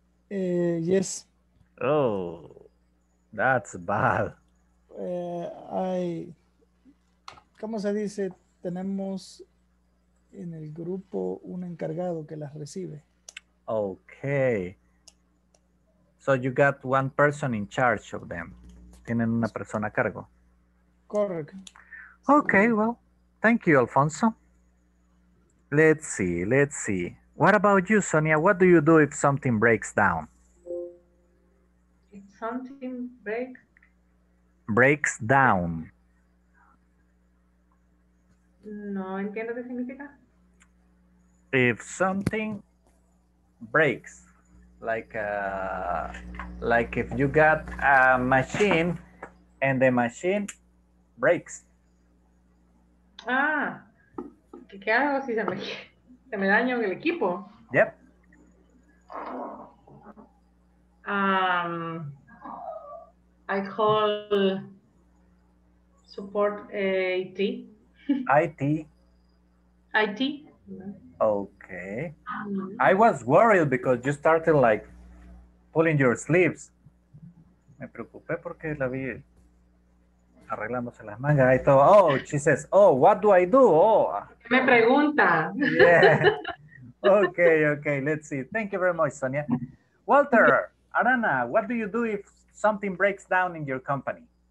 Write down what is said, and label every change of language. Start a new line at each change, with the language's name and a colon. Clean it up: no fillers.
English: Yes. Oh, that's bad.
Spanish: ¿Cómo se dice? Tenemos en el grupo un encargado que las recibe.
English: Okay. So you got one person in charge of them.
Spanish: Tienen una persona a cargo.
English: Correct. Okay, well, thank you, Alfonso. Let's see, let's see. What about you, Sonia? What do you do if something breaks down? If something break? Breaks down.
Spanish: No entiendo qué significa.
English: If something breaks, like if you got a machine and the machine breaks.
Spanish: Ah, ¿qué hago si se me daña el equipo?
English: Yep. I call support IT. IT. IT. Okay. Mm-hmm. I was worried because you started like pulling your sleeves.
Spanish: Me preocupé porque la vi arreglándose las mangas.
English: I thought, oh, she says, oh, what do I do? Oh.
Spanish: Me pregunta.
English: Yeah. Okay, okay, let's see. Thank you very much, Sonia. Walter, Arana, what do you do if something breaks down in your company?